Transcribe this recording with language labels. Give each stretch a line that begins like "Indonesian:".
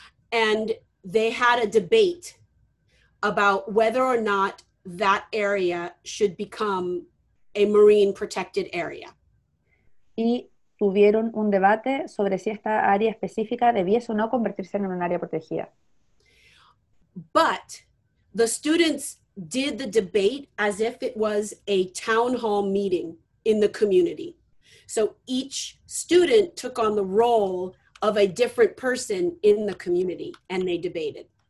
English: And they had a debate about whether or not that area should become a marine protected area.
Spanish: Y tuvieron un debate sobre si esta área específica debiese o no convertirse en un área protegida.
English: But the students did the debate as if it was a town hall meeting in the community. So each student took on the role of a different person in the community and they debated.